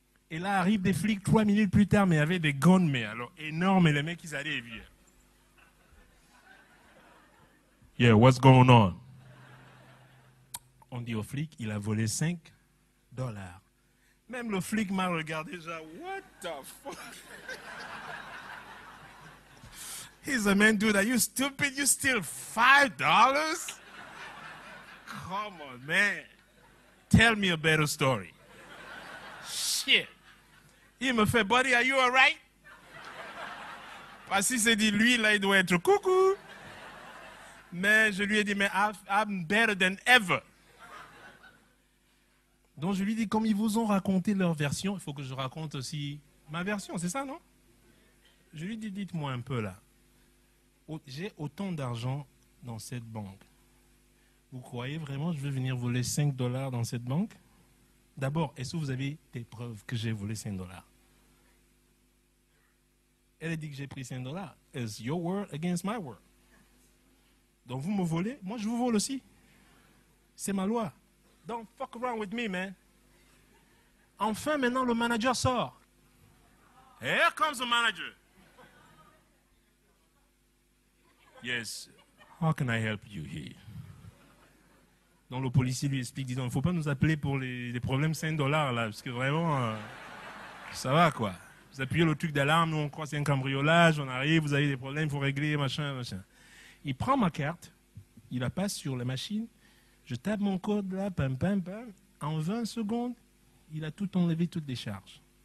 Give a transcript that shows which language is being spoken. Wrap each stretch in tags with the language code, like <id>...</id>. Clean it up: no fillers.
<fr>Et là, arrivent des flics 3 minutes plus tard, mais avec des guns, mais alors énormes, et les mecs, ils allaient vivre.</fr> <en>Yeah, what's going on?</en> <fr>On dit au flic, il a volé 5 dollars. Même le flic m'a regardé, genre,</fr> <en>what the fuck? He's a man, dude. Are you stupid? You steal $5? Come on, man. Tell me a better story. Shit.</en> <fr>Il me fait,</fr> <en>buddy, are you all right?</en> <fr>Parce qu'il s'est dit, lui, là, il doit être coucou. Mais je lui ai dit, mais</fr> <en>I'm better than ever.</en> <fr>Donc je lui ai dit, comme ils vous ont raconté leur version, il faut que je raconte aussi ma version, c'est ça, non? Je lui ai dit, dites-moi un peu, là. J'ai autant d'argent dans cette banque. Vous croyez vraiment que je vais venir voler 5 dollars dans cette banque? D'abord, est-ce que vous avez des preuves que j'ai volé 5 dollars? Elle a dit que j'ai pris 5 dollars.</fr> <en>It's your word against my word.</en> <fr>Donc vous me volez, moi je vous vole aussi. C'est ma loi.</fr> <en>Don't fuck around with me, man.</en> <fr>Enfin, maintenant, le manager sort.</fr> <en>Here comes the manager. Yes, how can I help you here?</en> <fr>Donc le policier lui explique, disant, il ne faut pas nous appeler pour les problèmes 5 dollars là, parce que vraiment, ça va quoi. Vous appuyez le truc d'alarme, nous on croit que c'est un cambriolage, on arrive, vous avez des problèmes, il faut régler, machin, machin. Il prend ma carte, il la passe sur la machine, je tape mon code là, pam, pam, pam, en 20 secondes, il a tout enlevé, toutes les charges.</fr>